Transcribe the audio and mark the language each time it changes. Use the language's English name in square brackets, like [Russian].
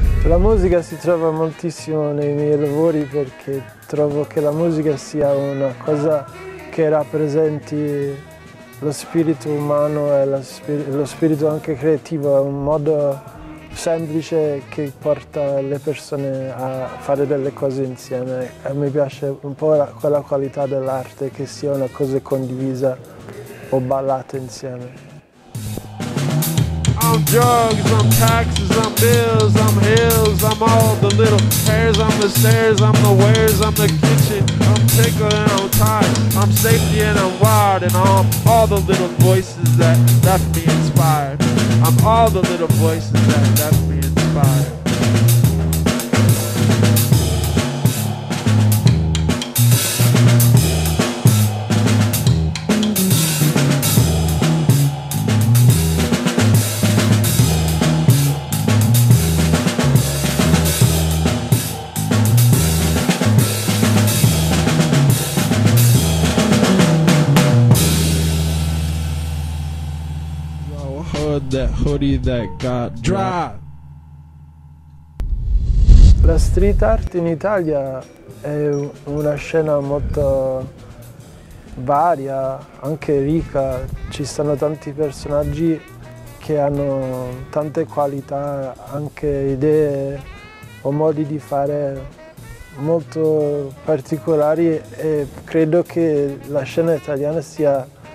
[Italian] La musica si trova moltissimo nei miei lavori perché trovo che la musica sia una cosa che rappresenti lo spirito umano e lo spirito anche creativo. È un modo semplice che porta le persone a fare delle cose insieme. E mi piace un po' quella qualità dell'arte, che sia una cosa condivisa o ballata insieme. [English] I'm drugs, I'm taxes, I'm bills, I'm hills, I'm all the little hairs, I'm the stairs, I'm the wares, I'm the kitchen, I'm tickled and I'm tired, I'm safety and I'm wired, and I'm all the little voices that left me inspired. I'm all the little voices that left me inspired. That hoodie that got dry. [Italian] La street art in Italia è una scena molto varia, anche ricca. Ci sono tanti personaggi che hanno tante qualità, anche idee o modi di fare molto particolari, e credo che la scena italiana sia